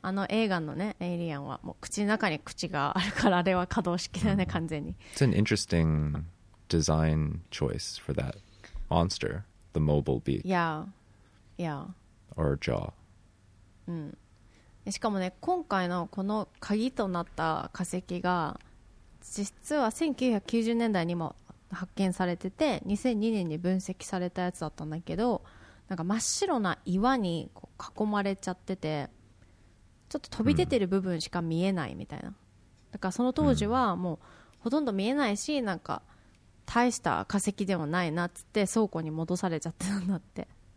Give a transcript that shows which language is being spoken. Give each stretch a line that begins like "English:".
Japanese: あの映画のね、Alien はもう口の中に口があるから、あれは可動式だね、完全に。
English: It's an interesting design choice for that monster, the mobile beak. Yeah. Yeah. Or jaw.
Japanese: うん。しかもね、今回のこの鍵となった化石が実は1990年代にも発見されてて、2002年に分析されたやつだったんだけど、なんか真っ白な岩にこう囲まれちゃってて、ちょっと飛び出てる部分しか見えないみたいな、うん、だからその当時はもうほとんど見えないし、なんか大した化石でもないなっつって倉庫に戻されちゃってたんだって。